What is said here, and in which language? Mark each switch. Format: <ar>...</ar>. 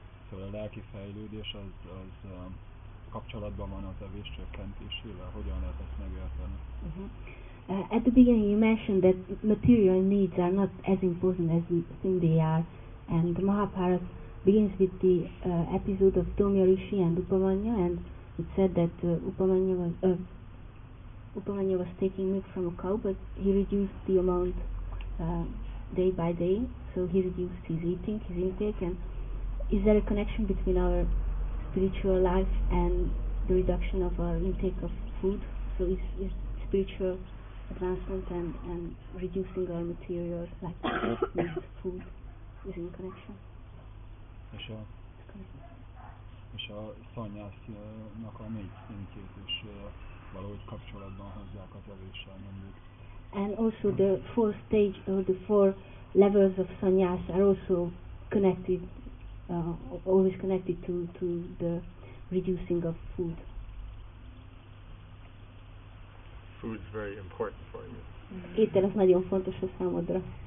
<hu>Szóval a lelki fejlődés az kapcsolatban van az evés csökkentésével. Hogyan lehet ezt megérteni? Uh-huh.</hu> <en>At the beginning you mentioned that material needs are not as important as you think they are. And Mahabharat begins with the episode of Domjarisi and Upamanyu, and it said that Upamanyu was taking milk from a cow, but he reduced the amount day by day, so he reduced his eating, his intake. And is there a connection between our spiritual life and the reduction of our intake of food? So is spiritual advancement and reducing our material, like food, is in connection?</en> <hu>És a szanyásznak a négy szintjét is valahogy kapcsolatban hozzák az evéssel, mondjuk.</hu> <en>And also the four stage or the four levels of sanyas are also connected, always connected to the reducing of food. Food's very important for you.</en> <hu>Étel az nagyon fontos a számodra.</hu>